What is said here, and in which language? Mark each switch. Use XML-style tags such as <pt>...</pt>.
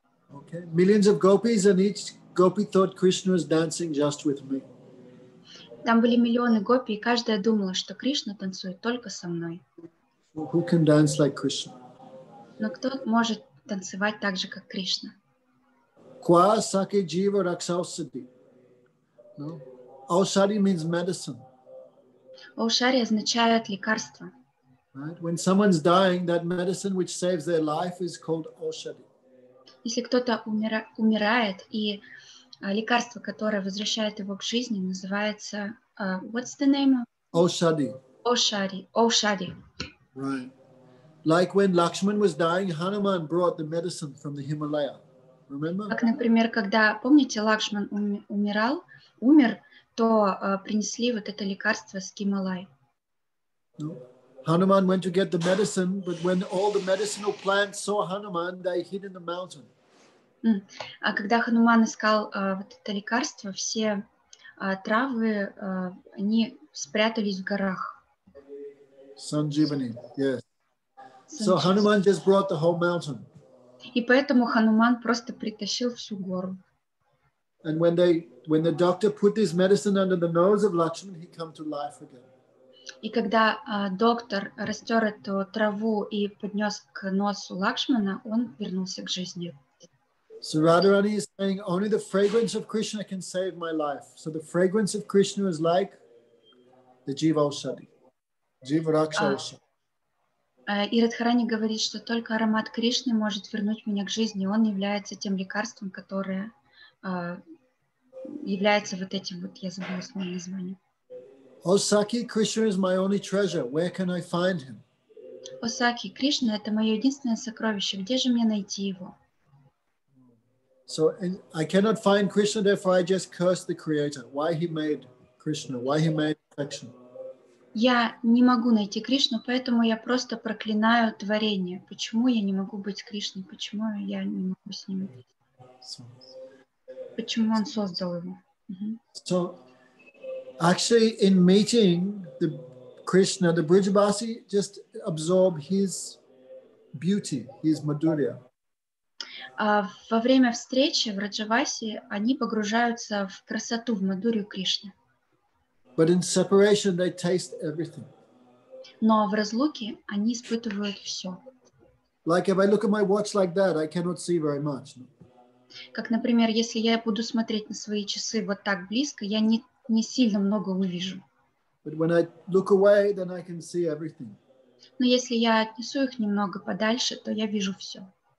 <en>Okay. Millions of gopis and each gopi thought Krishna was dancing just with me.</en> <ru>Там были миллионы гопи, и каждая думала, что Кришна танцует только со мной.</ru> <en>Who can dance like Krishna?</en> <ru>Но кто может танцевать так же, как Кришна?</ru> <sa>Kwa sake jiva rakshausadi. No?</sa> <en>Aushadi means medicine.</en> <ru>Aushadi означает лекарство.</ru> <en>Right? When someone's dying, that medicine which saves their life is called aushadi.</en> <ru>Если кто-то умирает, и лекарство, которое возвращает его к жизни, называется</ru> <en>what's the name?</en> <sa>Aushadi. Aushadi. Aushadi.</sa> <en>Right. Like when Lakshman was dying, Hanuman brought the medicine from the Himalaya. Remember?</en> <ru>Как, например, когда помните, Лакшман умер, то принесли вот это лекарство с Гималай.</ru> <en>No. Hanuman went to get the medicine, but when all the medicinal plants saw Hanuman, they hid in the mountain.</en> <ru>А когда Хануман искал вот это лекарство, все травы они спрятались в горах.</ru> <en>Sanjeevani, yes. So Hanuman just brought the whole mountain.</en> <ru>И поэтому Хануман просто притащил всю гору.</ru> <en>And when the doctor put this medicine under the nose of Lakshman, he came to life again.</en> <ru>И когда доктор растер эту траву и поднес к носу Лакшмана, он вернулся к жизни.</ru> <en>So Radharani is saying, only the fragrance of Krishna can save my life. So the fragrance of Krishna is like the Jiva Aushadhi. Jiva Raksha Aushadhi.</en> <ru>И Радхарани говорит, что только аромат Кришны может вернуть меня к жизни. Он является тем лекарством, которое является вот этим, вот я забыла свое название.</ru> <en>О Саки, Кришна is my only treasure. Where can I find him?</en> <ru>О Саки, Кришна — это мое единственное сокровище. Где же мне найти его?</ru> <en>So I cannot find Krishna, therefore I just curse the creator. Why he made Krishna? Why he made perfection?</en> <ru>Я не могу найти Кришну, поэтому я просто проклинаю творение. Почему я не могу быть Кришной? Почему я не могу с ним быть? Почему он создал его?</ru> <en>So, actually, in meeting the Krishna, the Brijabasi just absorb his beauty, his madhurya.</en> <ru>Во время встречи в Раджавасе они погружаются в красоту, в мадурию Кришны.</ru> <en>But in separation, they taste everything.</en> <ru>Но в разлуке они испытывают все.</ru> <en>Like if I look at my watch like that, I cannot see very much.</en> <ru>Как, например, если я буду смотреть на свои часы вот так близко, я не сильно много увижу.</ru> <en>But when I look away, then I can see everything.</en> <ru>Но если я отнесу их немного подальше, то я вижу все.</ru>